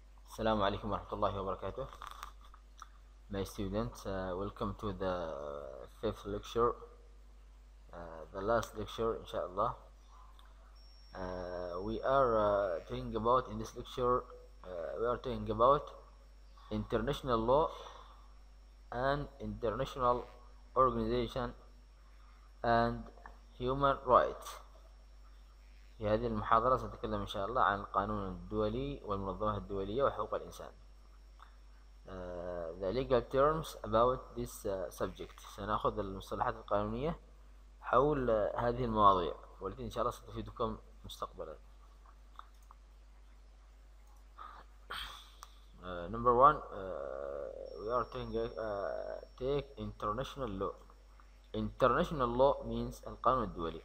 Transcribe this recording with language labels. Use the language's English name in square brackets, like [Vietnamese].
[Arabic] السلام عليكم ورحمة الله وبركاته. [English] My students, welcome to the fifth lecture, the last lecture, inshallah. We are talking about, in this lecture, we are talking about international law and international organization and human rights. [Arabic] في هذه المحاضرة سنتكلم إن شاء الله عن القانون الدولي والمنظمات الدولية وحقوق الإنسان. [English] The legal terms about this subject. [Arabic] سنأخذ المصطلحات القانونية حول هذه المواضيع والتي إن شاء الله ستفيدكم مستقبلا. [English] Number one, we are taking take international law. International law means [Arabic] القانون الدولي.